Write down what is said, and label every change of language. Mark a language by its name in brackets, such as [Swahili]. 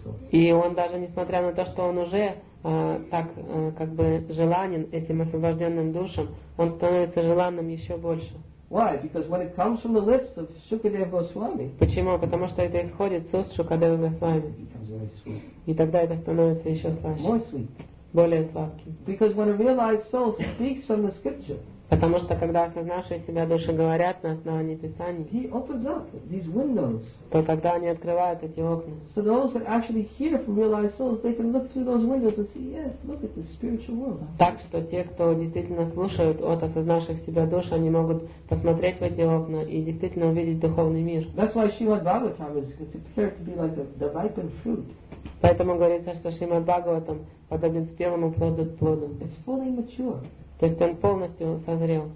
[Russian] И он даже несмотря на то, что он уже так как бы желанен этим освобожденным душам, он становится желанным еще больше. [English] Why? Because when it comes from the lips of Shukadeva Goswami. [Russian] Почему? Потому что это исходит с уст Шукадевы Госвами. И тогда это становится еще слаще. [English] More sweet. [Russian] Более сладким. [English] Because when a realized soul speaks from the scripture, [Russian] потому что когда осознавшие себя души говорят на основании Писаний, [English] he opens up these windows. [Russian] То тогда они открывают эти окна. [English] So those that actually hear from realized souls, they can look through those windows and see, yes, look at the spiritual world. [Russian] Так что те, кто действительно слушают от осознавших себя душ, они могут посмотреть в эти окна и действительно увидеть духовный мир. [English] That's why Srimad Bhagavatam is prepared to be like the ripened fruit. [Russian] Поэтому говорится, что Шримад Бхагаватам подобен спелому плоду плоду. [English] It's fully mature. [Russian] То есть он полностью созрел.